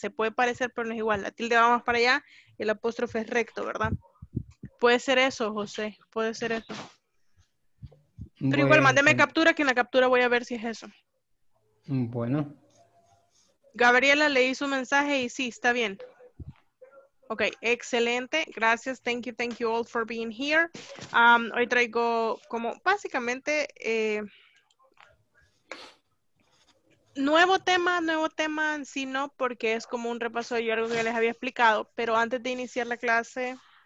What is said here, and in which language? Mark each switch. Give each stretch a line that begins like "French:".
Spanish: Se puede parecer, pero no es igual. La tilde va más para allá y el apóstrofe es recto, ¿verdad? Puede ser eso, José, puede ser eso. Pero bueno, igual, mándeme captura, que en la captura voy a ver si es eso. Bueno. Gabriela, leí su mensaje y sí, está bien. Ok, excelente, gracias,
English: thank you all for being here.
Spanish: Hoy traigo como básicamente nuevo tema, sí, no, porque es como un repaso de algo que les había explicado, pero antes de iniciar la clase...